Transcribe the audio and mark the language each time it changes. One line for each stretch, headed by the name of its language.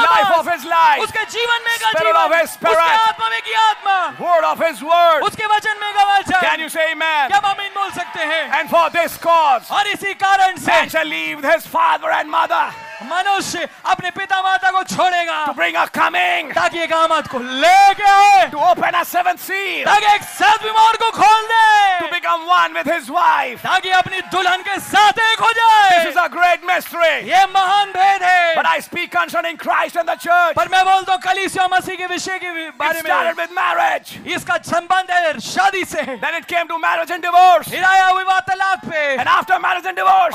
English: मांस life of his life
Hindi: उसके जीवन में का
English: spirit
Hindi: जीवन
English: of his spirit
Hindi: उसके आत्मा में की आत्मा
English: word of his word
Hindi: उसके वचन में का वचन
English: can you say amen
Hindi: क्या आमीन बोल सकते हैं
English: and for this cause
Hindi: और इसी कारण से
English: man shall leave his father and mother
Hindi: मनुष्य अपने पिता माता को छोड़ेगा
English: to bring a coming
Hindi: ताकि एक आमद को ले के
English: to open a seventh seal
Hindi: ताकि एक सातवीं मोहर को खोल दे
English: to become one with his wife
Hindi: ताकि अपनी दुल्हन के साथ एक हो जाए
English: this is a great mystery
Hindi: ये महान भेद है
English: but I speak concerning Christ and the church
Hindi: पर मैं बोल दो कलीसिया मसीह के विषय के बारे में
English: it started with marriage
Hindi: इसका संबंध है शादी से
English: then it came to marriage and divorce
Hindi: फिर आया विवाह तलाक पे
English: and after marriage and divorce